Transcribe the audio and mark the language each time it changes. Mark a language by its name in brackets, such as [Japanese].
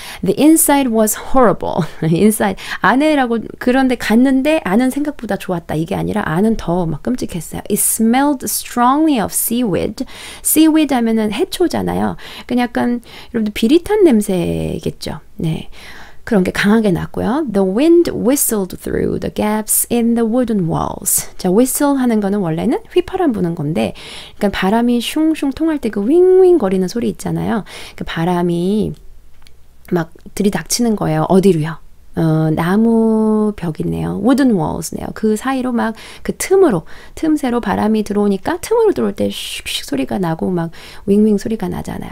[English] The inside was horrible. [Korean] inside 안에라고 그런데 갔는데 안은 생각보다 좋았다. 이게 아니라 안은 더 막 끔찍했어요. [English] It smelled strongly of seaweed. Seaweed [Korean] 하면은 해초잖아요. 그냥 약간 여러분들 비릿한 냄새겠죠. 네. 그런 게 강하게 났고요. [English] The wind whistled through the gaps in the wooden walls. [Korean] 자, whistle 하는 거는 원래는 휘파람 부는 건데 그러니까 바람이 슝슝 통할 때 그 윙윙 거리는 소리 있잖아요. 그 바람이 막 들이닥치는 거예요. 어디로요? 나무 벽이네요. Wooden walls네요. 그 사이로 막 그 틈으로 틈새로 바람이 들어오니까 틈으로 들어올 때 슉슉 소리가 나고 막 윙윙 소리가 나잖아요.